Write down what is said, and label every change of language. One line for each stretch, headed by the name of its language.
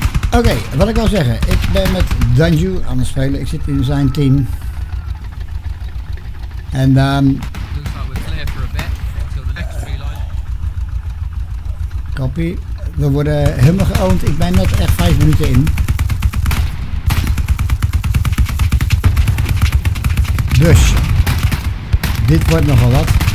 Dutch: Oké, wat ik wil zeggen. Ik ben met Danju aan het spelen. Ik zit in zijn team. En
English: looks like we're clear for a bit until the next tree line.
Dutch: Copy. We worden helemaal geowned. Ik ben net echt 5 minuten in. Dus dit wordt nogal wat.